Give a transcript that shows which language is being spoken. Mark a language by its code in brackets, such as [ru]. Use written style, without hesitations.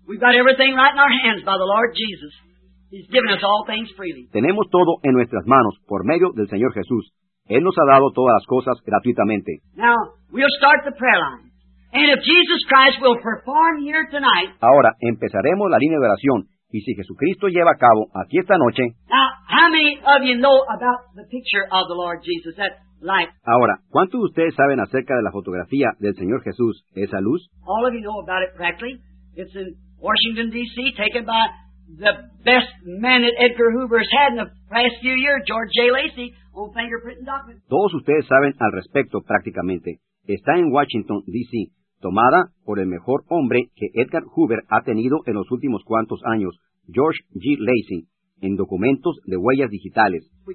[en] We've got everything right in our hands by the Lord Jesus. He's given us all things freely. [es] Tenemos todo en nuestras manos por medio del Señor Jesús. Él nos ha dado todas las cosas gratuitamente. [en] Now, we'll start the prayer line. And if Jesus Christ will perform here tonight, [es] ahora empezaremos la línea de oración. Y si Jesucristo lleva a cabo aquí esta noche, [en] now, how many of you know about the picture of the Lord Jesus, that light? [es] Ahora, ¿cuántos de ustedes saben acerca de la fotografía del Señor Jesús, esa luz? [en] All of you know about it practically. It's in Washington, D.C., taken by the best man that Edgar Hoover's had in the past few years, George J. Lacey, on fingerprinting documents. [es] Todos ustedes saben al respecto prácticamente. Está en Washington, D.C., tomada por el mejor hombre que Edgar Hoover ha tenido en los últimos cuantos años, George G. Lacey, en documentos de huellas digitales.